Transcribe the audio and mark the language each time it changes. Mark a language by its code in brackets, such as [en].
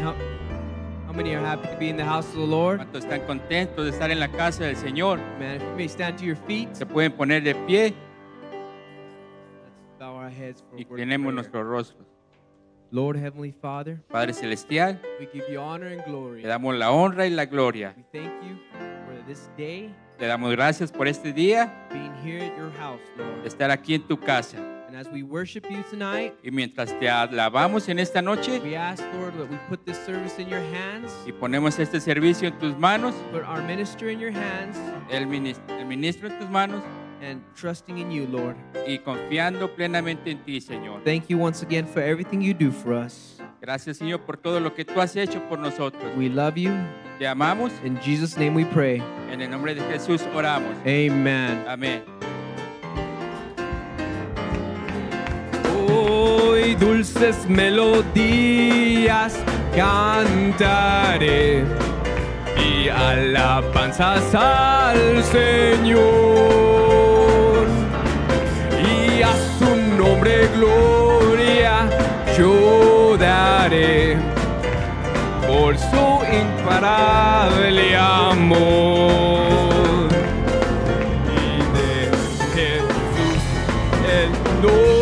[en] How many are happy to be in the house of the Lord? [es] ¿Cuántos están contentos de estar en la casa del Señor? [en] Amen. If you may stand to your feet. [es] ¿Se pueden poner de pie? [en] Let's bow our heads for [es] y tenemos nuestros rostros. [en] Lord Heavenly Father, [es] Padre Celestial, [en] we give you honor and glory. [es] Le damos la honra y la gloria. [en] We thank you for this day. [es] Le damos gracias por este día. [en] Being here at your house, Lord. [es] Estar aquí en tu casa. [en] And as we worship you tonight, [es] y mientras te alabamos en esta noche, [en] we ask, Lord, that we put this service in your hands. [es] Y ponemos este servicio en tus manos. [en] Put our minister in your hands. [es] El ministro en tus manos. [en] And trusting in you, Lord. [es] Y confiando plenamente en ti, Señor. [en] Thank you once again for everything you do for us. [es] Gracias, Señor, por todo lo que tú has hecho por nosotros. [en] We love you. [es] Te amamos. [en] In Jesus' name we pray. [es] En el nombre de Jesús oramos. [en] Amen. [es] Amén. Hoy dulces melodías cantaré y alabanzas al Señor y a su nombre gloria yo daré por su imparable amor y de Jesús el nombre.